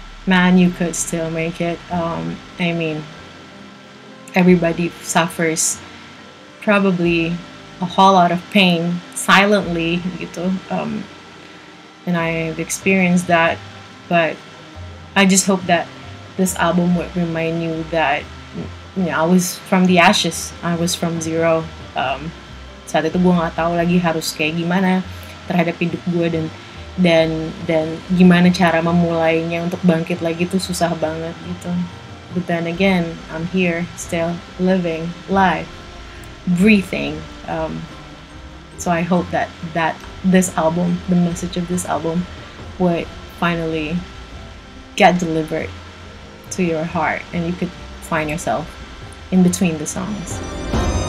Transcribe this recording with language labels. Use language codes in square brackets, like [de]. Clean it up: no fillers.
[en] Man, you could still make it. I mean, everybody suffers probably a whole lot of pain silently, gitu. And I've experienced that, but I just hope that this album would remind you that, you know, I was from the ashes, I was from zero. [id] Saat itu gue nggak tahu lagi harus kayak gimana terhadap hidup gue dan gimana cara memulainya untuk bangkit lagi tuh susah banget gitu. [en] But then again, I'm here still living life, breathing. So I hope that this album, the message of this album, would finally get delivered to your heart and you could find yourself in between the songs.